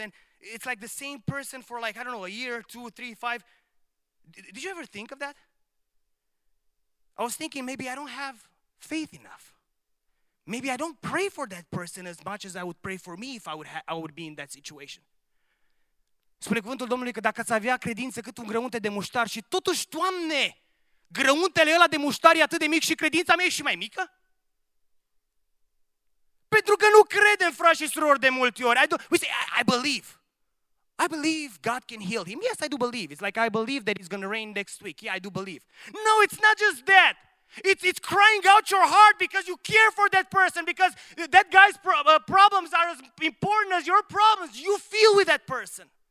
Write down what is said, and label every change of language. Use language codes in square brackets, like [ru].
[en] And it's like the same person for like, I don't know, a year, two, three, five. Did you ever think of that? I was thinking maybe I don't have faith enough. Maybe I don't pray for that person as much as I would pray for me if I would be in that situation. [ro] Spune cuvântul Domnului că dacă ați avea credință cât un grăunte de muștar și totuși, Doamne, grăuntele ăla de muștar e atât de mic și credința mea e și mai mică? Pentru că nu credem, frați și surori, de multe ori. [en] I believe. I believe God can heal him. Yes, I do believe. It's like I believe that it's going to rain next week. Yeah, I do believe. No, it's not just that. It's crying out your heart because you care for that person, because that guy's problems are as important as your problems. You feel with that person.